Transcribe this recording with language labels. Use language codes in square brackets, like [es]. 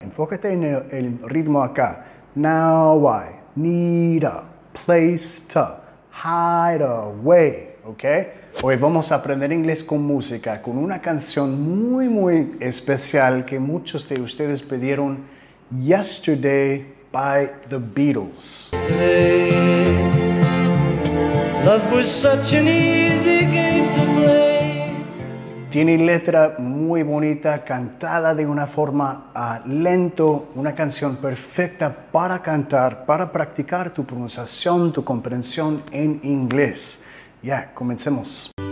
[es] Enfócate en el ritmo acá. [en] Now I need a place to hide away, ¿ok? [es] Hoy vamos a aprender inglés con música, con una canción muy, muy especial que muchos de ustedes pidieron, Yesterday by the Beatles. [en] Yesterday, love was such an easy game to play. [es] Tiene letra muy bonita, cantada de una forma lento, una canción perfecta para cantar, para practicar tu pronunciación, tu comprensión en inglés. Ya, comencemos.